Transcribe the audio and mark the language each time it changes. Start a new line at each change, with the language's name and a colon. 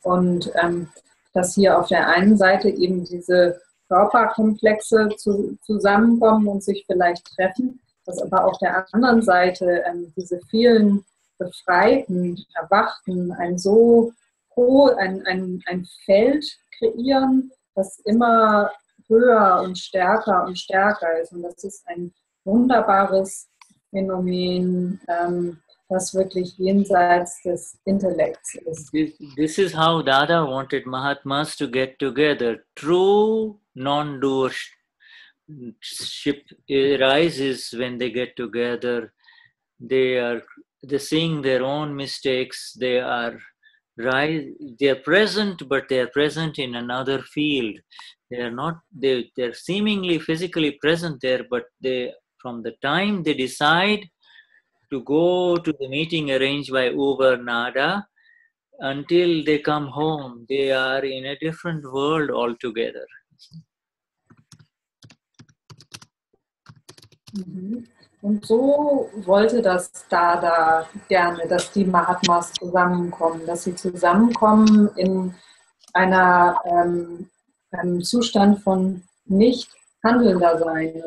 German: Und dass hier auf der einen Seite eben diese Körperkomplexe zusammenkommen und sich vielleicht treffen, dass aber auf der anderen Seite diese vielen Befreiten, Erwachten ein so hohes, ein Feld kreieren, das immer höher und stärker ist. Und das ist ein wunderbares Phänomen, das wirklich jenseits des Intellekts ist.
English: This is how Dada wanted Mahatmas to get together. True non-doership arises when they get together. They are seeing their own mistakes. They are right? They are present, but they are present in another field. They are not, they are seemingly physically present there, but they, from the time they decide to go to the meeting arranged by Uber Nada, until they come home, they are in a different world altogether.
German: Und so wollte das Dada gerne, dass die Mahatmas zusammenkommen, dass sie zusammenkommen in einer einem Zustand von nicht handelnder Sein.